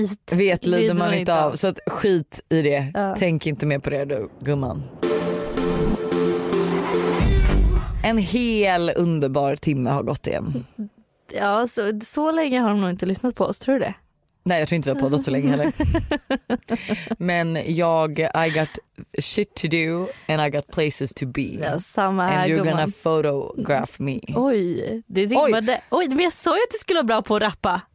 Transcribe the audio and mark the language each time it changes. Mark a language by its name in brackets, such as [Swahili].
[Swedish] Vet lider man inte av. Så att skit i det. Ja. Tänk inte mer på det då, gumman. En hel underbar timme har gått igen. Ja, så länge har de nog inte lyssnat på oss, tror du det? Nej, jag tror inte vi har poddat så länge heller. Men jag, [English] I got shit to do and I got places to be. [Swedish] Ja, samma här, [English] and you're gonna photograph me. [Swedish] Oj, det rimmade. Oj, men jag sa ju att du skulle vara bra på att rappa.